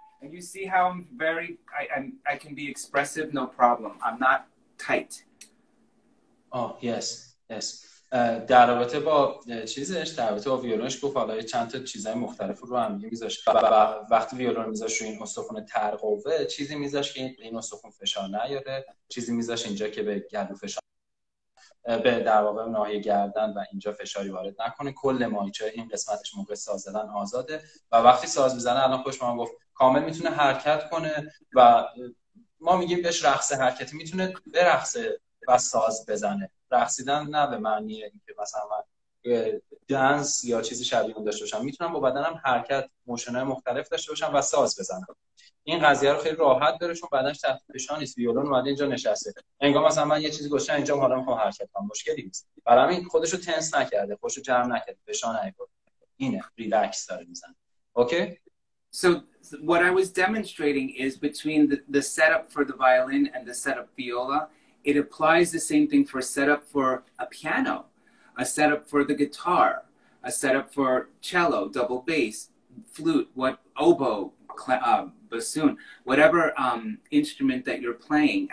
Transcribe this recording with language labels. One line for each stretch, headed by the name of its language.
English: You see how I'm very, I can be expressive, no problem. I'm not tight. Oh, yes.
Persian: در رابطه با چیزش، در رابطه با ویولونش گفت حالا چند تا چیزای مختلف رو هم میذاشت و وقتی ویولون میذاشت رو این استخون ترقوه، چیزی میذاشت که این استخون فشار نیاره، چیزی میذاشت اینجا که به گلو فشار به در واقع ناحیه گردن و اینجا فشاری وارد نکنه. کل ماهیچه این قسمتش موقع ساز زدن آزاده و وقتی ساز میزنه الان خوش من گفت کامل میتونه حرکت کنه و ما میگیم بهش رقص حرکتی، میتونه برقصه و ساز بزنه. رقصیدن نه به معنی اینکه مثلا من دنس یا چیزی شبیه اون داشته باشم، میتونم با بدنم حرکت موشنای مختلف داشته باشم و ساز بزنم. این قضیه رو خیلی راحت داره چون بدنش تحت فشار نیست. ویولون اومده اینجا نشسته، انگار مثلا من یه چیزی گوشم اینجا حالا میخوام حرکت کنم، مشکلی نیست. برای همین خودش رو تنس نکرده، خودش رو جمع نکرده، فشار نیاورده، اینه ریلکس داره میزنه. اوکی.
English: So what I was demonstrating is between the setup for the violin and the setup viola, it applies the same thing for setup for a piano, a setup for the guitar, a setup for cello, double bass, flute, what oboe, bassoon, whatever instrument that you're playing.